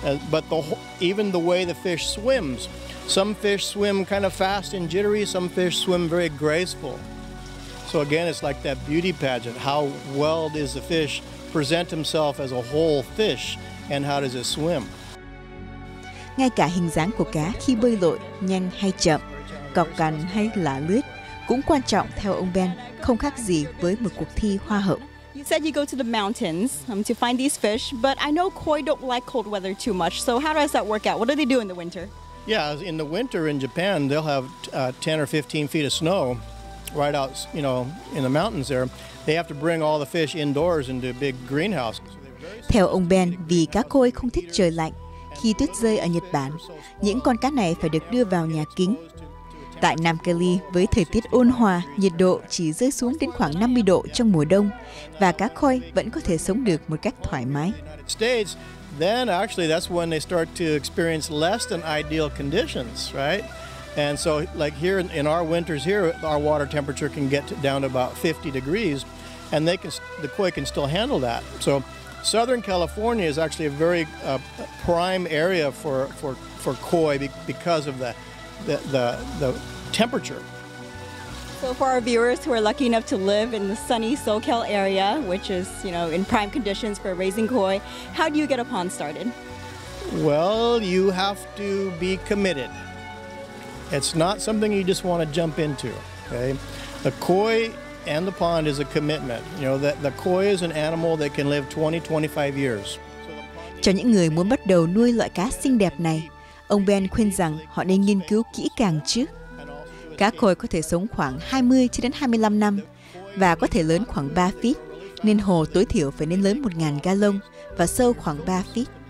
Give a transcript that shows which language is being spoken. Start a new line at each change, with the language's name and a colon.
English: But even the way the fish swims, some fish swim kind of fast and jittery, some fish swim very graceful. So again, it's like that beauty pageant. How well does the fish present himself as a whole fish, and how does it swim?
Vietnamese: Ngay cả hình dáng của cá khi bơi lội, nhanh hay chậm, cọc cằn hay lả lướt, cũng quan trọng theo ông Ben, không khác gì với một cuộc thi hoa hậu.
English: You said you go to the mountains to find these fish, but I know koi don't like cold weather too much. So how does that work out? What do they do in the winter? Yeah, in the winter in Japan, they'll have 10 or 15 feet of snow right out, you know, in the mountains there. They have to bring all the fish indoors into a big greenhouse.
Vietnamese: Theo ông Ben, vì cá koi không thích trời lạnh, khi tuyết rơi ở Nhật Bản, những con cá này phải được đưa vào nhà kính. Tại Nam Cali, với thời tiết ôn hòa, nhiệt độ chỉ rơi xuống đến khoảng 50 độ trong mùa đông, và cá koi vẫn có thể sống được một cách thoải mái.
English: Then actually that's when they start to experience less than ideal conditions, right? And so like here in our winters here, our water temperature can get down to about 50 degrees, and the koi can still handle that. So Southern California is actually a very prime area for koi because of the temperature. So for our viewers who are lucky enough to live in the sunny SoCal area, which is, you know, in prime conditions for raising koi, how do you get a pond started? Well, you have to be committed. It's not something you just want to jump into, okay? The koi and the pond is a commitment. You know, the koi is an animal that can live 20, 25 years.
Vietnamese: Cho những người muốn bắt đầu nuôi loại cá xinh đẹp này, ông Ben khuyên rằng họ nên nghiên cứu kỹ càng trước. Cá koi có thể sống khoảng 20-25 năm và có thể lớn khoảng 3 feet, nên hồ tối thiểu phải nên lớn 1.000 gallon và sâu khoảng 3 feet.